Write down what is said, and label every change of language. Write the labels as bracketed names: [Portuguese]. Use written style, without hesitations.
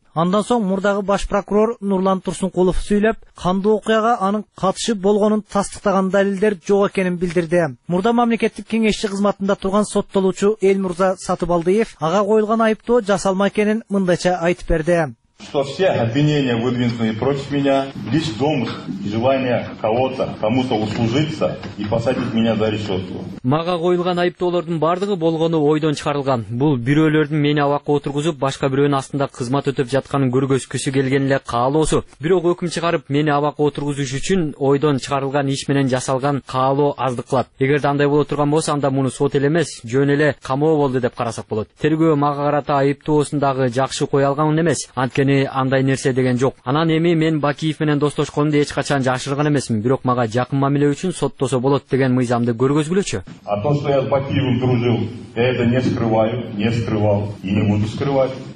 [Kyrgyz] Андан соң мурдагы баш прокурор Нурлан Турсункулов сүйлөп, кандуу окуяга анын катышы болгонун тастыктаган далилдер жок экенин билдирди. Мурда мамлекеттик кеңешчи кызматында турган соттолуучу Элмурза Сатыбалдыев ага коюлган айыптоо жасалма экенин мындайча айтып берди. [Russian] Что все обвинения, выдвинутые против меня, лишь домыслы, желание кого-то, кому-то услужиться и посадить меня за решетку. [Kyrgyz] Мага коюлган айыптоолордун бардыгы болгону ойдон чыгарылган. Бул бирөөлөрдүн мени абакка отургузуп, башка бирөөнүн астында кызмат өтөп жатканын көргөзгүсү келген эле каалоосу. Бирок өкүм чыгарып, мени абакка отургузуш үчүн ойдон чыгарылган иш менен жасалган каалоо аздык кылат. Эгерде андай боло турган болсо, анда муну сот эле эмес, жөн эле камоо болду деп карасак болот. Тергөө мага карата айыптоосундагы жакшы кое алган эмес. Анткени андай нерсе деген жок. Анан эми мен Бакиев менен достошконумду эч качан жашырган эмесмин, бирок мага жакын мамиле үчүн соттосо болот деген мыйзамды көргөзгүлөчү. [Russian] О том, что я с Бакиевым дружил, я это не скрываю, не скрывал и не буду скрывать.